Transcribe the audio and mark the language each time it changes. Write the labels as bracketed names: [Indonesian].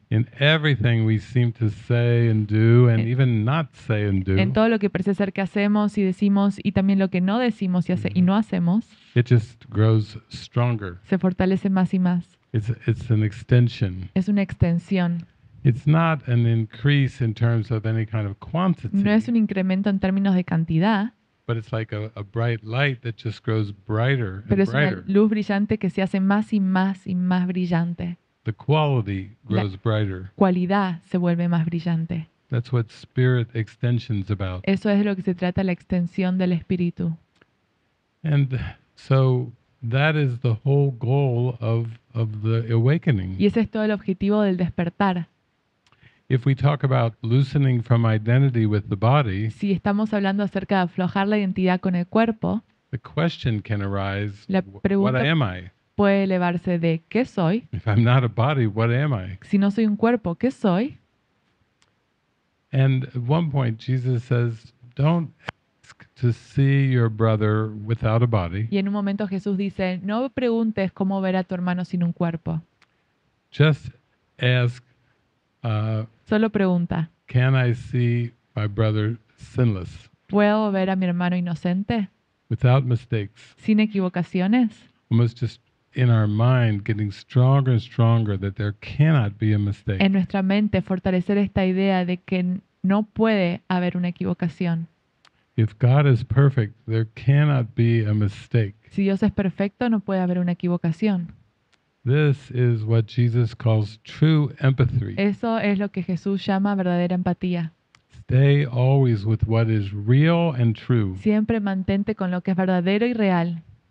[English] In everything we seem to say and do, and even not say and do. [Spanish] En todo lo que parece ser que hacemos y decimos, y también lo que no decimos y, y no hacemos. [English] It just grows stronger. [Spanish] Se fortalece más y más. [English] It's an extension. [Spanish] Es una extensión. [English] It's not an increase in terms of any kind of quantity. [Spanish] No es un incremento en términos de cantidad. [English] But it's like a bright light that just grows brighter and [Spanish] Pero es una luz brillante que se hace más y más y más brillante. [English] The quality grows brighter. [Spanish] La cualidad se vuelve más brillante. [English] That's what spirit extension is about. [Spanish] Eso es de lo que se trata, la extensión del espíritu. [English] And so that is the whole goal of the awakening. [Spanish] Y ese es todo el objetivo del despertar. [English] If we talk about loosening from identity with the body, [Spanish] si estamos hablando acerca de aflojar la identidad con el cuerpo, [English] the question can arise, [Spanish] la pregunta, [English] what am I? [Spanish] Puede elevarse de ¿qué soy? [English] If I'm not a body, what am I? [Spanish] Si no soy un cuerpo, ¿qué soy? [English] And at one point Jesus says, don't ask to see your brother without a body. [Spanish] Y en un momento Jesús dice, no preguntes cómo ver a tu hermano sin un cuerpo. [English] Just ask, [Spanish] solo pregunta, [English] can I see my brother sinless? [Spanish] ¿Puedo ver a mi hermano inocente? [English] Without mistakes. [Spanish] Sin equivocaciones. [English] Almost just in our mind getting stronger and stronger that there cannot be a mistake. [Spanish] En nuestra mente fortalecer esta idea de que no puede haber una equivocación. [English] If God is perfect, there cannot be a mistake. [Spanish] Si Dios es perfecto, no puede haber una equivocación. [English] This is what Jesus calls true empathy. [Spanish] Eso es lo que Jesús llama verdadera empatía. [English] Stay always with what is real and true. [Spanish] Siempre mantente con lo que es verdadero y real.